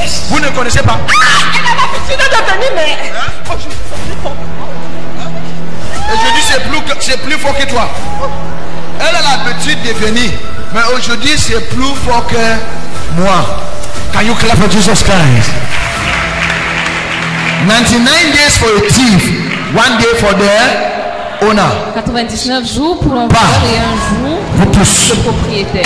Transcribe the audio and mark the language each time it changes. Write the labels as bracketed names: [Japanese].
[French] Vous ne connaissez pas? Elle n'a pas fait signe de venir, mais. Aujourd'hui c'est plus fort que toi. Elle a l'habitude de venir, mais aujourd'hui c'est plus fort que moi. [English] Can you clap for Jesus Christ? 99 days for a thief, one day for the owner. [French] 99 jours pour un voleur et un jour pour le propriétaire.